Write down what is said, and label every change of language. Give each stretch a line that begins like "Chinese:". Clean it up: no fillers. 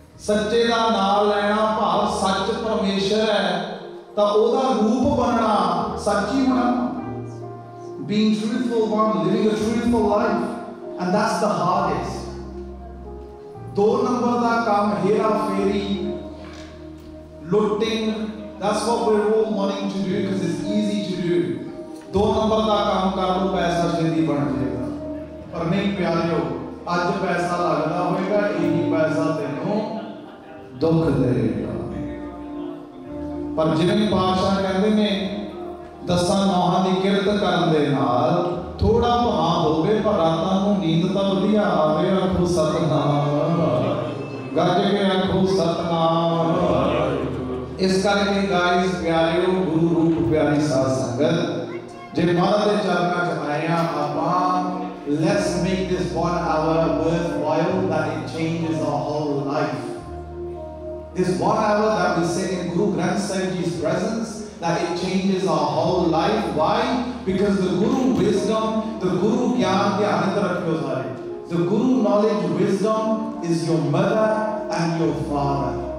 Punjabi: ਸੱਚੇ ਦਾ ਨਾਮ ਲੈਣਾ, ਭਾਵ ਸੱਚ ਪਰਮੇਸ਼ਰ ਹੈ ਤਾਂ ਉਹਦਾ ਰੂਪ ਬਣਨਾ, ਸੱਚੀ ਹੋਣਾ,
English: being truthful, one living a truthful life, and that's the hardest.
Punjabi: ਦੋ ਨੰਬਰ ਦਾ ਕੰਮ ਹੇਰਾ ਫੇਰੀ,
English: Looting, that's what we're all wanting to do because it's easy to do.
Punjabi: ਦੋ ਨੰਬਰ ਦਾ ਕੰਮ ਕਰ ਲਓ, ਪੈਸਾ ਜਲਦੀ ਬਣ ਜਾਏਗਾ। ਪਰ ਨਹੀਂ ਪਿਆਰਿਓ, ਅੱਜ ਪੈਸਾ ਲੱਗਦਾ ਹੋਏਗਾ, ਇਹੀ ਪੈਸਾ ਤੈਨੂੰ ਦੁੱਖ ਦੇਗਾ। ਪਰ ਜਿਵੇਂ ਪਾਤਸ਼ਾਹ ਕਹਿੰਦੇ ਨੇ, ਦਸਾਂ ਨੌਹਾਂ ਦੀ ਕਿਰਤ ਕਰਨ ਦੇ ਨਾਲ ਥੋੜਾ ਭਾਂ ਹੋਵੇ, ਪਰ ਰਾਤਾਂ ਨੂੰ ਨੀਂਦ ਤਾਂ ਵਧੀਆ ਆਵੇ। ਆਖੋ ਸਤਨਾਮ, ਗੱਜ ਕੇ ਆਖੋ ਸਤਨਾਮ। ਇਸ ਕਰਕੇ ਗਾਇਸ ਪਿਆਰਿਓ, ਗੁਰੂ ਰੂਪ ਪਿਆਰੀ ਸਾਧ ਸੰਗਤ, ਜੇ ਮਾਤਾ ਦੇ ਚਰਨਾਂ 'ਚ ਆਏ ਹਾਂ ਆਪਾਂ,
English: Let's make this 1 hour worthwhile, that it changes our whole life. This 1 hour that we sit in Guru Granth Sahib Ji's presence, that it changes our whole life. Why? Because the Guru wisdom, the Guru
Punjabi: gyan dhyan rakhyo sare,
English: the Guru knowledge wisdom is your mother and your father.